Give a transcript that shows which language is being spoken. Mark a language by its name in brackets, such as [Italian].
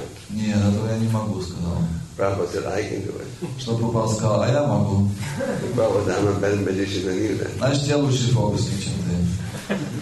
[Russian] Нет, этого я не могу, сказал. [English] Prabhupada said, I can do it. [Russian] Что Прабхупада сказал, а я могу. [English] Prabhupada said, I'm a better magician than you then. [Russian] Значит, я лучший фокусник, чем ты.